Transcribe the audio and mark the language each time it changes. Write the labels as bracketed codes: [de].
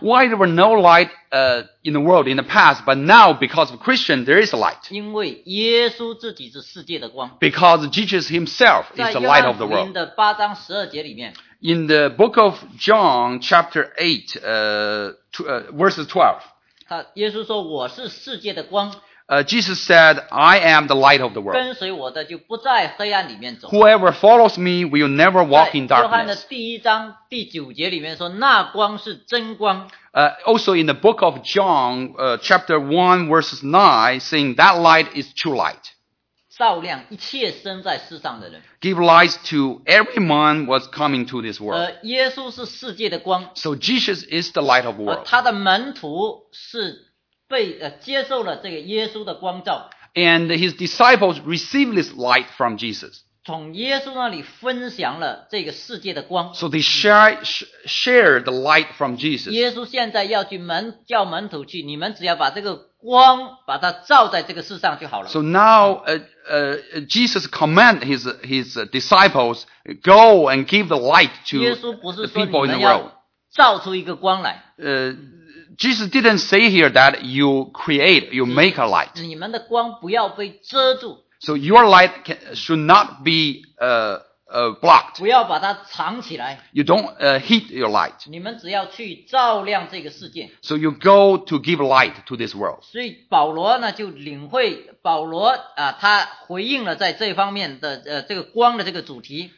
[en] Why there were no light in the world in the past, but now because of Christian, there is a light. [zh] 因为耶稣自己是世界的光。 [en] Because Jesus himself is the light of the world. [zh] 在约翰福音的八章十二节里面。 [en] In the book of John, chapter 8, verses 12. [zh] 耶稣说我是世界的光。 [en] Jesus said, I am the light of the world. [zh] 跟随我的就不在黑暗里面走。 [en] Whoever follows me will never walk in darkness. [zh] 在约翰的第一章第九节里面说那光是真光。 [en] Also in the book of John, chapter 1 verses 9, saying that light is true light. [zh] 照亮一切生在世上的人。 [en] Give light to everyone was coming to this world. [zh] 耶稣是世界的光。 [en] So Jesus is the light of the world. [zh] 他的门徒是接受了这个耶稣的光照。 [en] And his disciples received this light from Jesus. [zh] 从耶稣那里分享了这个世界的光。 [en] So they share the light from Jesus. [zh] 耶稣现在要去叫门徒去，你们只要把这个光把它照在这个世上就好了。 [en] So now, Jesus command his disciples go and give the light to the people in the world. [zh] 照出一个光来。 [en] Jesus didn't say here that you create, you make a light. [zh] 你们的光不要被遮住。 [en] So your light should not be blocked. [zh] 不要把它藏起来。 [en] You don't heat your light. [zh] 你们只要去照亮这个世界。 [en] So you go to give light to this world. [zh] 所以保罗呢就领会保罗啊，他回应了在这方面的这个光的这个主题。